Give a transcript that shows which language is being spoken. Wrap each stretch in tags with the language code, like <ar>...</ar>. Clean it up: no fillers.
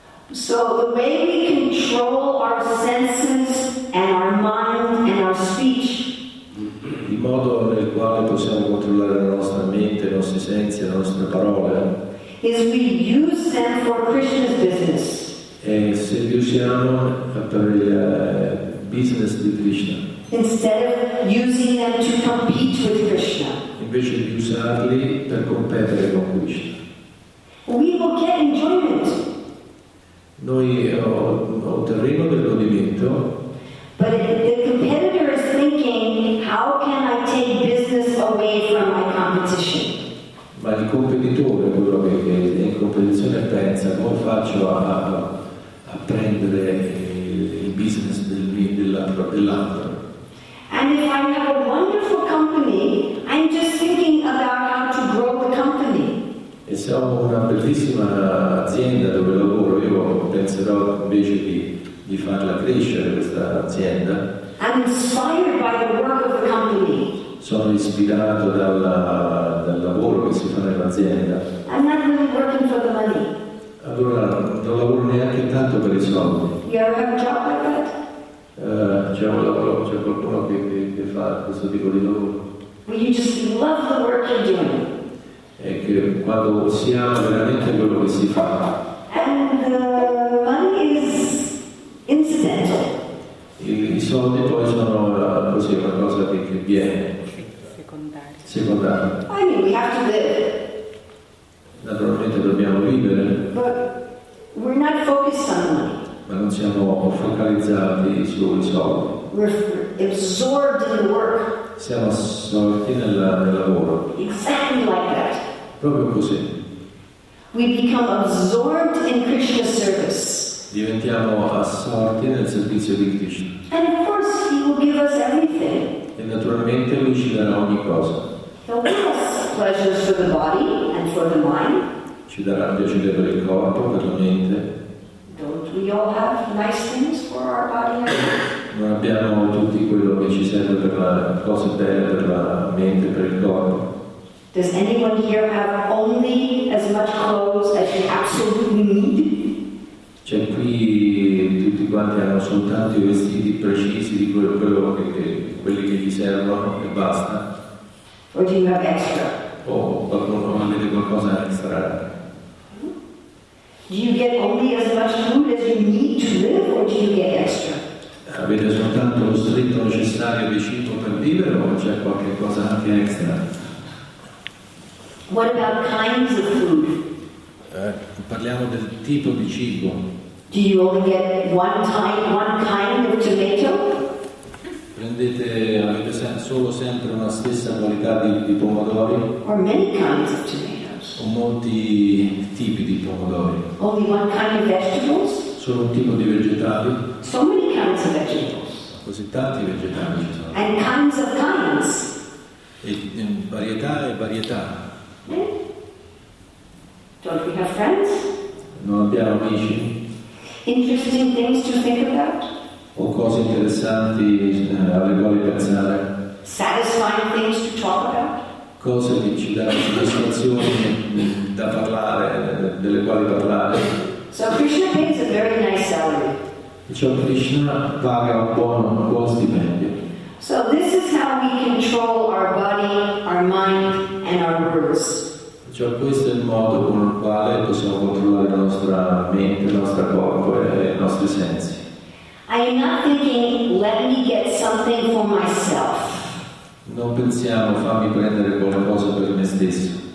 <en>So the way we control our senses and our mind and our speech.</en> <it>Il modo nel quale possiamo controllare la nostra mente, i nostri sensi, le nostre parole.</it> <en>Is we use them for Krishna's business.</en> <it>E se li usiamo per il business di Krishna.</it> <en>Instead of using them to compete with Krishna.</en> <it>Invece di usarli per competere con Krishna.</it> <en>We will get enjoyment.</en> <it>Noi otterremo del godimento.</it> <en>But the competitor is thinking, how can I take business away from my competition?</en> <it>Ma il competitore, quello che è in competizione, pensa, come faccio a prendere il business dell'altro?</it> <en>And if I have a wonderful company, I'm just thinking about how to grow the company.</en> <it>E se ho una bellissima azienda dove lavoro, io penserò invece di farla crescere questa azienda.</it> <en>I'm inspired by the work of the company.</en> <it>Sono ispirato dal lavoro che si fa nell'azienda.</it> <en>I'm not really working for the money.</en> <it>Allora non lavoro neanche tanto per i soldi.</it> <en>You ever have a job like that?</en> <it>C'è un lavoro, c'è qualcuno che fa questo tipo di lavoro.</it> <en>Well, you just love the work you're doing.</en> <it>È che quando si ama veramente quello che si fa.</it> <en>And the money is incidental.</en> <it>I soldi poi sono così una cosa che viene. Secondario.</it> <en>I mean, we have to live.</en> <it>Naturalmente dobbiamo vivere.</it> <en>But we're not focused on money.</en> <it>Ma non siamo focalizzati sui soldi.</it> <en>We're absorbed in work.</en> <it>Siamo assorti nel lavoro.</it> <en>Exactly like that.</en> <it>Proprio così.</it> <en>We become absorbed in Krishna's service.</en> <it>Diventiamo assorti nel servizio di Krishna.</it> <en>And of course he will give us everything.</en> <it>E naturalmente lui ci darà ogni cosa.</it> <en>He'll give us pleasures for the body and for the mind.</en> <it>Ci darà piacere per il corpo, per la mente.</it> <en>Don't we all have nice things for our body and mind?</en> <it>Non abbiamo tutti quello che ci serve per la cosa bella per la mente, per il corpo.</it> <en>Does anyone here have only as much clothes as you absolutely need?</en> <it>C'è qui tutti quanti hanno soltanto i vestiti precisi di quelli che gli servono e basta.</it> <en>Or do you have extra?</en> <it>Oh, qualcuno avete qualcosa extra?</it> <en>Do you get only as much food as you need to live, or do you get extra?</en> <it>Avete soltanto lo stretto necessario di cibo per vivere o c'è qualche cosa anche extra?</it> <en>What about kinds of food?</en> <it>Parliamo del tipo di cibo.</it> <en>Do you only get one kind of tomato?</en> <it>Avete solo sempre una stessa qualità di pomodori?</it> <en>Or many kinds of tomatoes?</en> <it>O molti tipi di pomodori?</it> <en>Only one kind of vegetables?</en> <it>Solo un tipo di vegetali?</it> <en>So many kinds of vegetables?</en> <it>Così tanti vegetali ci sono.</it> <en>And kinds of kinds?</en> <it>E varietà e varietà.</it> <en>Don't we have friends?</en> <it>Non abbiamo amici?</it> <en>Interesting things to think about?</en> <it>O cose interessanti alle quali pensare?</it> <en>Satisfying things to talk about?</en> <it>Cose che ci danno soddisfazioni da parlare, delle quali parlare?</it> <en>So Krishna pays a very nice salary.</en> <it>Cioè Krishna paga un buon stipendio.</it> <en>So this is how we control our body, our mind, and our words.</en> <it>Cioè questo è il modo con il quale possiamo controllare la nostra mente, il nostro corpo e i nostri sensi.</it> <en>I am not thinking, let me get something for myself.</en> <it>Non pensiamo, fammi prendere qualcosa per me stesso.</it>